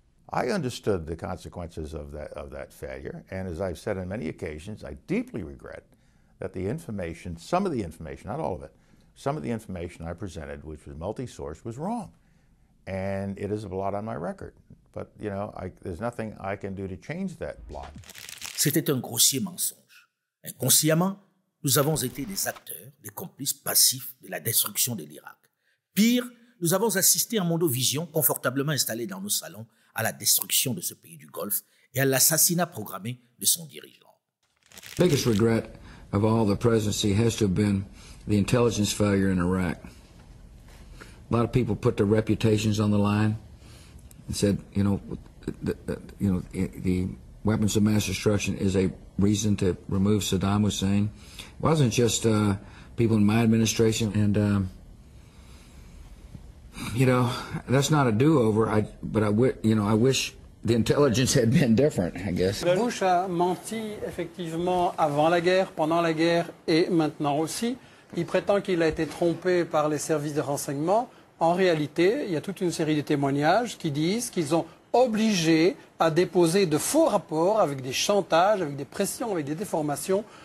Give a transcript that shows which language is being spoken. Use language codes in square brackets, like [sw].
[en] I understood the consequences of that failure, and as I've said on many occasions, I deeply regret that the information, some of the information, not all of it, some of the information I presented, which was multi-source, was wrong. And it is a blot on my record. But, you know, there's nothing I can do to change that blot. [fr] C'était un grossier mensonge. Inconsciemment, nous avons été des acteurs, des complices passifs de la destruction de l'Irak. Pire, nous avons assisté en Mondovision, confortablement installé dans nos salons, à la destruction de ce pays du Golfe et à l'assassinat programmé de son dirigeant. [en] The biggest regret of all the presidency has to have been the intelligence failure in Iraq. A lot of people put their reputations on the line and said, you know, the weapons of mass destruction is a reason to remove Saddam Hussein. It wasn't just people in my administration. And, you know, that's not a do-over, I wish the intelligence had been different, I guess. [fr] Bush a menti, effectivement, avant la guerre, pendant la guerre et maintenant aussi. Il prétend qu'il a été trompé par les services de renseignement. En réalité, il y a toute une série de témoignages qui disent qu'ils ont obligé à déposer de faux rapports avec des chantages, avec des pressions, avec des déformations.